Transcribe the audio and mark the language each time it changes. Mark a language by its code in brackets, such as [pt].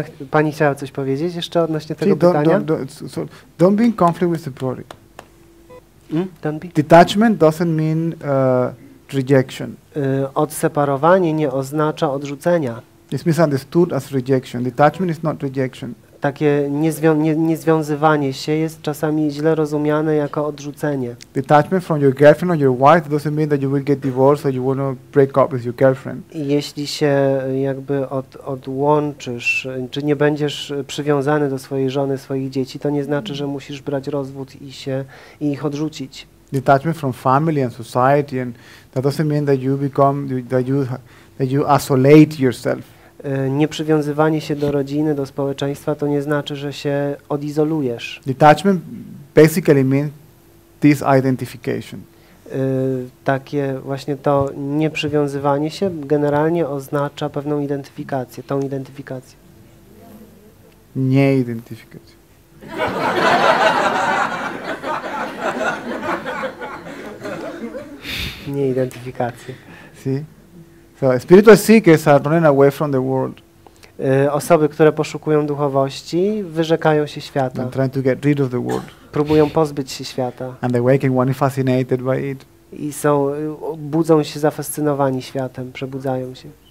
[pl] Pani chciała coś powiedzieć jeszcze odnośnie tego pytania? [en] Don't be in conflict with the body. Don't be. Detachment doesn't mean rejection. [pl] Odseparowanie nie oznacza odrzucenia. [en] It's misunderstood as rejection. Detachment is not rejection. [pl] Takie niezwiązywanie się jest czasami źle rozumiane jako odrzucenie. [en] Detachment from your girlfriend or your wife doesn't mean that you will get divorced or you will not break up with your girlfriend. [pl] Jeśli się jakby odłączysz, czy nie będziesz przywiązany do swojej żony, swoich dzieci, to nie znaczy, że musisz brać rozwód i ich odrzucić. [en] Detachment from family and society and that doesn't mean that you become that you isolate yourself. [pl] Nieprzywiązywanie się do rodziny, do społeczeństwa, to nie znaczy, że się odizolujesz. [en] Detachment basically means disidentification. [pl] Takie właśnie to nieprzywiązywanie się generalnie oznacza pewną identyfikację, tą identyfikację. Nie identyfikację. Nie identyfikację. [en] See? So spiritual seekers are running away from the world. [pl] Osoby, które poszukują duchowości, wyrzekają się świata. [en] And trying to get rid of the world. [pl] Próbują pozbyć się świata. [en] And the waking one is fascinated by it. [pl] I są budzą się zafascynowani światem, przebudzają się.